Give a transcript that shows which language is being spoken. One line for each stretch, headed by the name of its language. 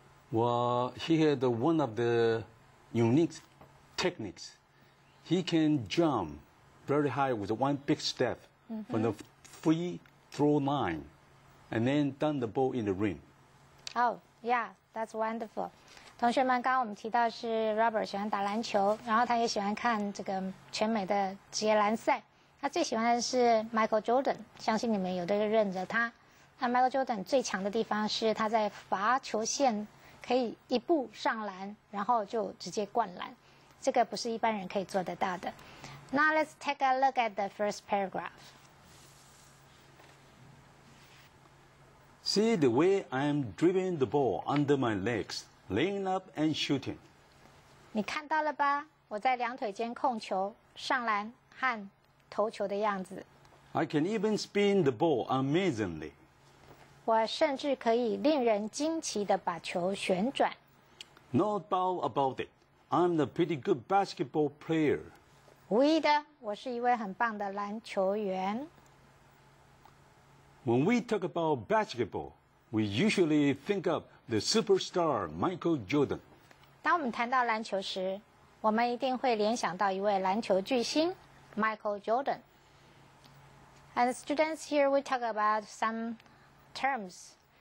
English: Well, he had one of the unique techniques. He can jump very high with one big step from the free throw line, and then dunk the ball in the rim. Oh, yeah, that's wonderful.
Chinese: 同学们，刚刚我们提到是 Robert 喜欢打篮球，然后他也喜欢看这个全美的职业篮赛。他最喜欢的是 Michael Jordan， 相信你们有的人认得他。那 Michael Jordan 最强的地方是他在罚球线可以一步上篮，然后就直接灌篮，这个不是一般人可以做得到的。
English: Now let's take a look at the first paragraph. See the way I'm dribbling the ball under my legs, laying up and shooting.
Chinese: 你看到了吧？我在两腿间控球、上篮和投球的样子。
English: I can even spin the ball amazingly.
Chinese: 我甚至可以令人惊奇地把球旋转。
English: No doubt about it. I'm a pretty good basketball player.
Chinese: 无疑的，我是一位很棒的篮球员。
English: When we talk about basketball, we usually think of the superstar Michael Jordan.
Chinese: 当我们谈到篮球时，我们一定会联想到一位篮球巨星 Michael Jordan.
English: And students, here we talk about some terms.